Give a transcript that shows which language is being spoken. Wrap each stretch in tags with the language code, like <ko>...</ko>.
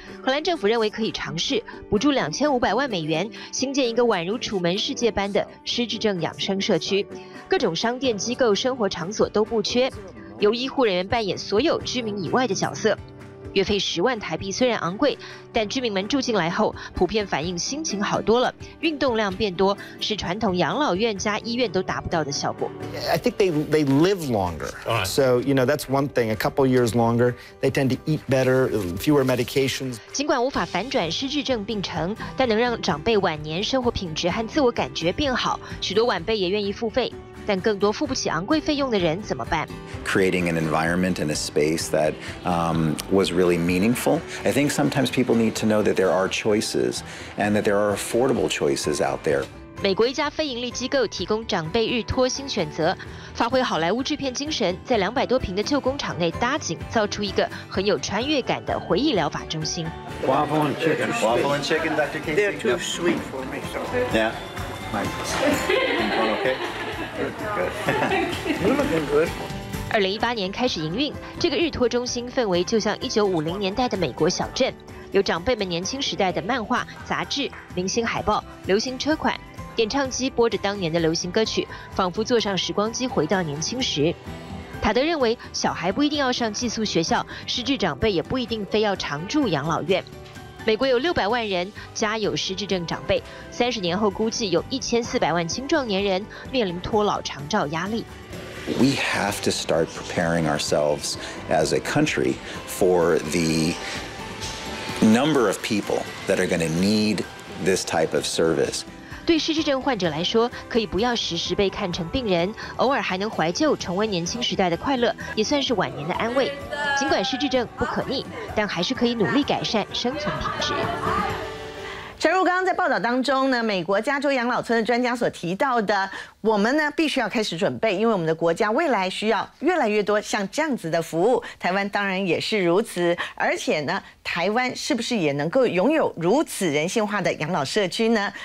<zh>荷兰政府认为可以尝试补助2500万美元，新建一个宛如楚门世界般的失智症养生社区，各种商店、机构、生活场所都不缺，由医护人员扮演所有居民以外的角色。月费10万台币虽然昂贵，但居民们住进来后普遍反映心情好多了，运动量变多，是传统养老院加医院都达不到的效果。</zh> <en>I think they live longer, so you know that's one thing. A couple years longer, they tend to eat better, fewer medications.</en> <zh>尽管无法反转失智症病程，但能让长辈晚年生活品质和自我感觉变好，许多晚辈也愿意付费。但更多付不起昂贵费用的人怎么办？</zh> <en>Creating an environment and a space that was really meaningful. I think sometimes people need to know that there are choices and that there are affordable choices out there.</en> <zh>美国一家非盈利机构提供长辈日托新选择，发挥好莱坞制片精神，在200多平的旧工厂内搭景，造出一个很有穿越感的回忆疗法中心。</zh> <en>Waffle and chicken. Waffle and chicken, Dr. Casey. They're too sweet for me. So. Yeah. Nice. Okay.</en> <zh>2018年开始营运，这个日托中心氛围就像1950年代的美国小镇，有长辈们年轻时代的漫画、杂志、明星海报、流行车款，演唱机播着当年的流行歌曲，仿佛坐上时光机回到年轻时。塔德认为，小孩不一定要上寄宿学校，失智长辈也不一定非要常住养老院。美国有600万人家有失智症长辈，30年后估计有1400万青壮年人面临脱老长照压力。</zh> <en>We have to start preparing ourselves as a country for the number of people that are going to need this type of service.</en> <zh>对失智症患者来说，可以不要时时被看成病人，偶尔还能怀旧重温年轻时代的快乐，也算是晚年的安慰。尽管失智症不可逆，但还是可以努力改善生存品质。陈如刚刚在报道当中呢，美国加州养老村的专家所提到的，我们呢必须要开始准备，因为我们的国家未来需要越来越多像这样子的服务，台湾当然也是如此，而且呢，台湾是不是也能够拥有如此人性化的养老社区呢？</zh>